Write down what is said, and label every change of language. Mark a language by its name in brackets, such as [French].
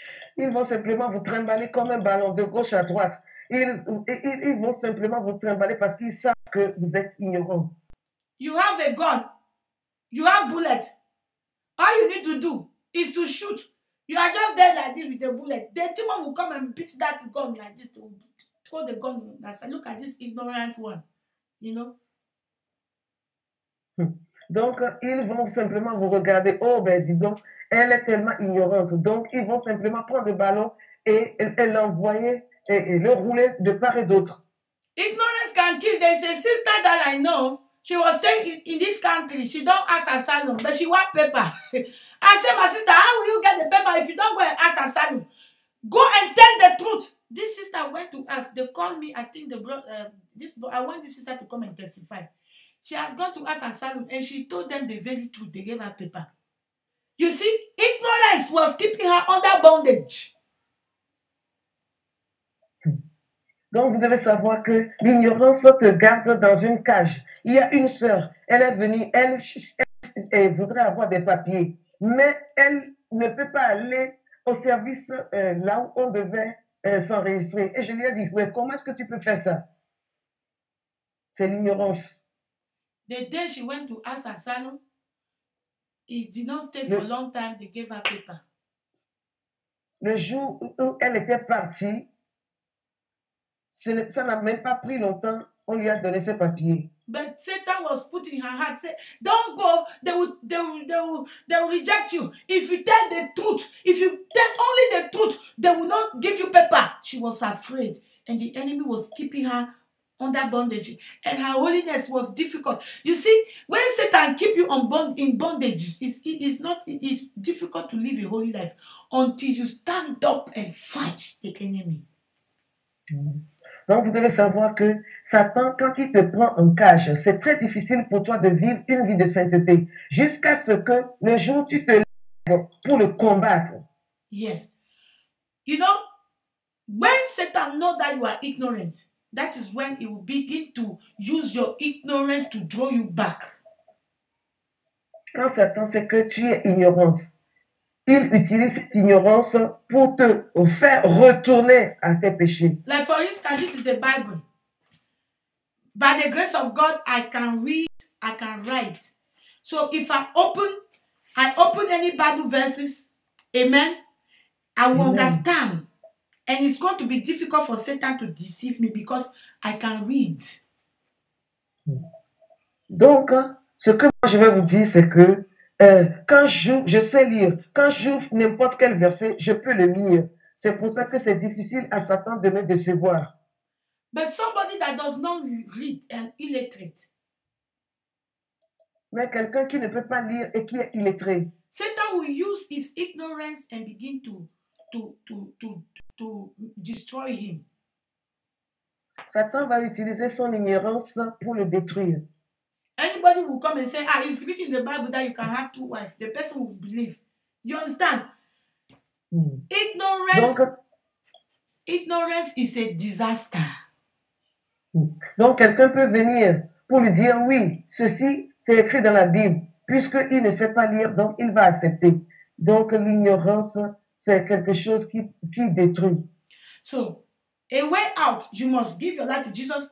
[French] Ils vont simplement vous trimballer comme un ballon de gauche à droite. Ils vont simplement vous trimballer parce qu'ils savent que vous êtes ignorant. [English] You have a gun. You have bullets. All you need to do is to shoot. You are just there like this with the bullet. The demon will come and beat that gun like this. To throw the gun. Look at this ignorant one. You know? [French] Donc, ils vont simplement vous regarder. Oh, ben, dis donc, elle est tellement ignorante. Donc, ils vont simplement prendre le ballon et l'envoyer et le rouler de part et d'autre. [English] Ignorance can kill. There's a sister that I know. She was staying in this country. She don't ask asylum, but she want paper. I say, my sister, how will you get the paper if you don't go and ask asylum? Go and tell the truth. This sister went to ask. They called me. I think I want this sister to come and testify. She has gone to ask asylum and she told them the very truth. They gave her paper. You see, ignorance was keeping her under bondage. [French] Donc, vous devez savoir que l'ignorance te garde dans une cage. Il y a une sœur, elle est venue, elle voudrait avoir des papiers, mais elle ne peut pas aller au service là où on devait s'enregistrer. Et je lui ai dit, mais comment est-ce que tu peux faire ça? C'est l'ignorance. [English] The day she went to ask asylum, it did not stay for a long time. They gave her paper. [French] Le jour où elle était partie, ça n'a même pas pris longtemps. On lui a donné ses papiers. [English] But Satan was putting her heart. Say, don't go. They will reject you. If you tell the truth, if you tell only the truth, they will not give you paper. She was afraid, and the enemy was keeping her under bondage, and her holiness was difficult. You see, when Satan keep you in bondage, it's difficult to live a holy life until you stand up and fight the enemy. [French] Donc, vous devez savoir que Satan, quand il te prend en cage, c'est très difficile pour toi de vivre une vie de sainteté jusqu'à ce que le jour tu te lèves pour le combattre. [English] Yes. You know, when Satan knows that you are ignorant, that is when he will begin to use your ignorance to draw you back. [French] Quand Satan sait que tu es ignorance, il utilise cette ignorance pour te faire retourner à tes péchés. [English] Like for instance, this is the Bible. By the grace of God, I can read, I can write. So if I open any Bible verses, amen, I will understand. And it's going to be difficult for Satan to deceive me because I can read. [French] Donc, ce que moi je vais vous dire, c'est que je sais lire, quand j'ouvre n'importe quel verset, je peux le lire. C'est pour ça que c'est difficile à Satan de me décevoir. [English] But somebody that does not read and illiterate. [French] Mais quelqu'un qui ne peut pas lire et qui est illettré. [English] Satan will use his ignorance and begin to destroy him. [French] Satan va utiliser son ignorance pour le détruire. [English] Anybody will come and say, ah, it's written in the Bible that you can have two wives. The person will believe. You understand? Ignorance is a disaster. [French] Donc, quelqu'un peut venir pour lui dire, oui, ceci, c'est écrit dans la Bible. Puisqu'il ne sait pas lire, donc il va accepter. Donc, l'ignorance, c'est quelque chose qui détruit. [English] So, a way out, you must give your life to Jesus.